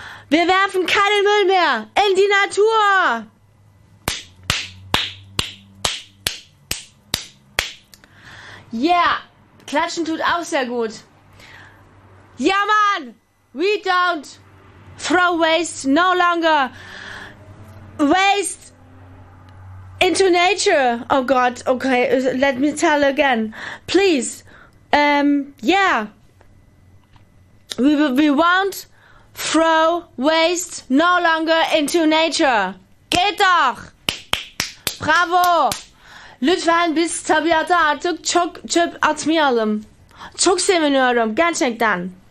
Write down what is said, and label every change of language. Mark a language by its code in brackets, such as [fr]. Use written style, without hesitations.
[de] Wir werfen keinen Müll mehr in die Natur. Yeah, klatschen tut auch sehr gut. Ja, Mann, [en] we don't throw waste no longer. Waste into nature. [de] Oh Gott, [en] okay, let me tell again. Please, Yeah. We won't throw waste no longer into nature. [de] Geht doch! Bravo! [tr] Lütfen biz tabiata artık çok çöp atmayalım. Çok seviniyorum gerçekten.